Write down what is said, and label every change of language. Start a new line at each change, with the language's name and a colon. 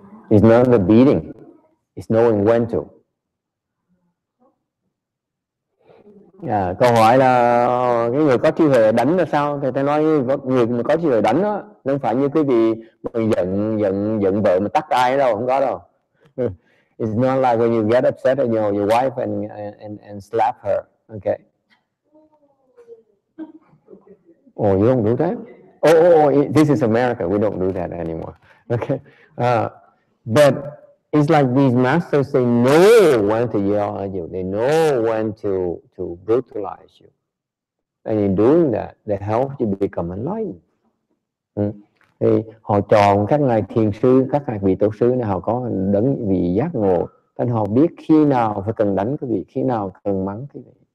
English: It's not the beating, it's knowing when to.
Vietnamese: Yeah, câu hỏi là cái người có trí huệ đánh là sao? Thì ta nói người mà có trí huệ đánh đó, không phải như cái gì mà giận vợ mà tắt tay đâu, không có đâu.
English: It's not like when you get upset at your wife and slap her, okay? Oh, you don't do that? Oh, this is America. We don't do that anymore, okay? But it's like these masters, they know when to yell at you. They know when to brutalize you. And in doing that, they help you become enlightened.
Vietnamese: Thì họ chọn các ngài thiền sư, các ngài vị tổ sư này, họ có đấng vị giác ngộ. Nên họ biết khi nào phải cần đánh cái vị, khi nào cần mắng cái vị.